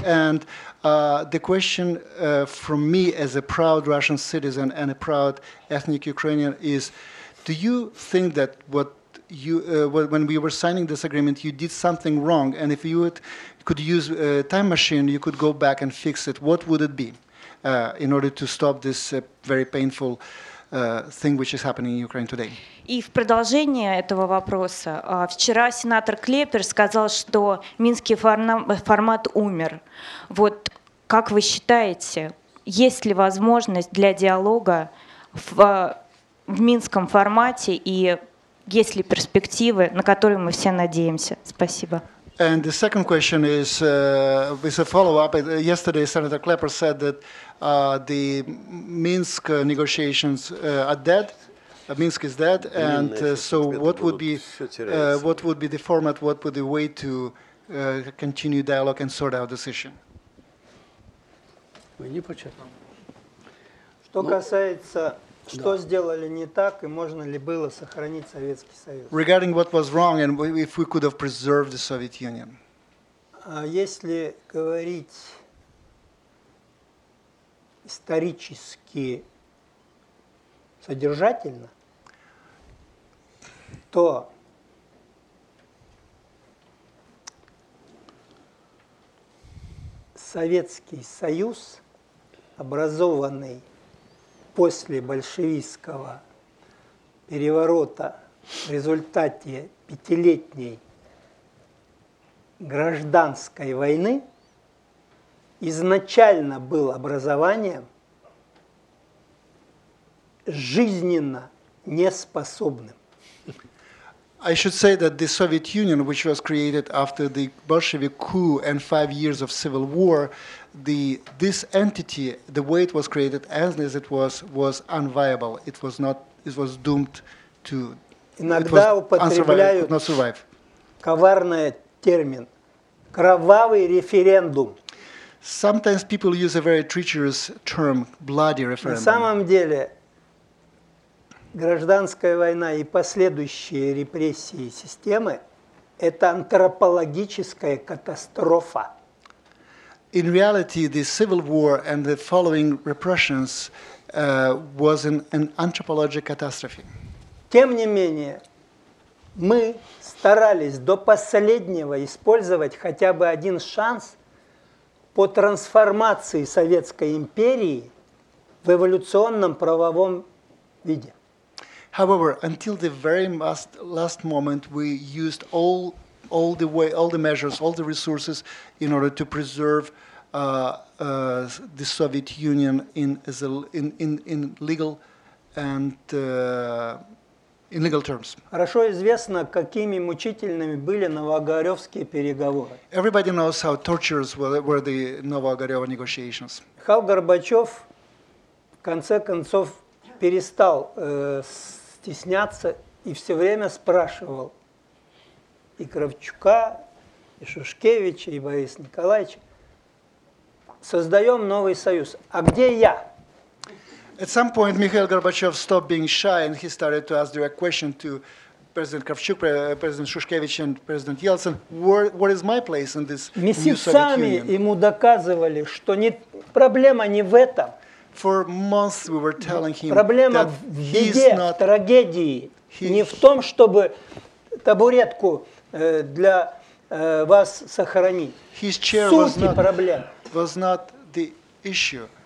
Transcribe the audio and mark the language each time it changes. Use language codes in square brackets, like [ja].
[en] And the question from me as a proud Russian citizen and a proud ethnic Ukrainian is, do you think that what you when we were signing this agreement, you did something wrong? And if you could use a time machine, you could go back and fix it. What would it be in order to stop this very painful thing which is happening in Ukraine today. [ru] И в продолжение этого вопроса, вчера сенатор Клепер сказал, что Минский формат умер. Вот как вы считаете, есть ли возможность для диалога в Минском формате и есть ли перспективы, на которые мы все надеемся? Спасибо. [en] And the second question is a follow-up. Yesterday, Senator Klepper said that the Minsk negotiations are dead. Minsk is dead. And so, what would be the format? What would be the way to continue dialogue and sort out this issue? [ru] Что касается что сделали не так и можно ли было сохранить Советский Союз? [en] Regarding what was wrong and if we could have preserved the Soviet Union. [ru] Если говорить исторически содержательно, то Советский Союз, образованный после большевистского переворота в результате пятилетней гражданской войны, изначально был образованием жизненно неспособным. [en] I should say that the Soviet Union, which was created after the Bolshevik coup and 5 years of civil war, this entity, the way it was created as it was unviable. It was not. It was doomed to. [ru] Иногда употребляют [en] not survive. [ru] Коварный термин кровавый референдум. [en] Sometimes people use a very treacherous term, bloody referendum. [ru] На самом деле гражданская война и последующие репрессии системы – это антропологическая катастрофа. [en] In reality, the civil war and the following repressions was an anthropological catastrophe. [ru] Тем не менее, мы старались до последнего использовать хотя бы один шанс по трансформации Советской империи в эволюционном правовом виде. [en] However, until the very last moment, we used all the measures, all the resources, in order to preserve the Soviet Union in legal terms. [ru] Хорошо известно, какими мучительными были Новоогарёвские переговоры. [en] Everybody knows how torturous were the Novogarev negotiations. [ru] Михаил Горбачёв в конце концов перестал стесняться и все время спрашивал и Кравчука, и Шушкевича, и Бориса Николаевича, создаем новый союз. А где я? [en] At some point Mikhail Gorbachev stopped being shy and he started to ask direct question to President Kravchuk, President Shushkevich and President Yeltsin, what is my place in this new Soviet Union? [ru] Месяцами ему доказывали, что проблема не в этом. [en] For months we were telling him [ru] проблема [en] that [ru] в беде, в трагедии, не в том, чтобы табуретку для вас сохранить. [en] His chair was not the issue.